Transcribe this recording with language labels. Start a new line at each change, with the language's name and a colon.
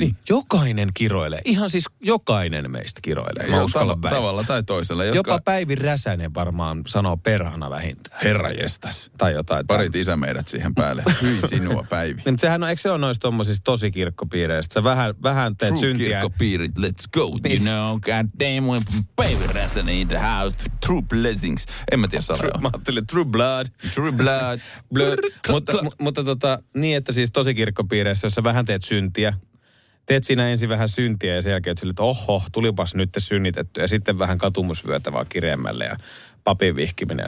Finnish: Niin, jokainen kiroilee. Ihan siis jokainen meistä kiroilee. Tavalla tai toisella. Jopa Päivi Räsänen varmaan sanoo perhana vähintään. Herra jestas. Tai jotain. Parit isämeidät siihen päälle. Hyi sinua, Päivi. Niin, sehän on, eikö se ole noissa tommosissa tosi kirkkopiireissä? Sä vähän teet
English: true
Finnish: syntiä.
English: True kirkkopiirit, let's go. Niin. You know, god damn, Päivi Räsänen in the house. True blessings.
Finnish: En mä tiedä sanoa. Mä ajattelin,
English: true blood. True blood. Blood.
Finnish: Mutta niin, että siis tosi kirkkopiireissä, jos sä vähän teet syntiä. Teet siinä ensin vähän syntiä ja sen jälkeen, että sille, että oho, tulipas nyt te synnitetty. Ja sitten vähän katumusvyötä vaan kireemmälle ja papin vihkiminen. Ja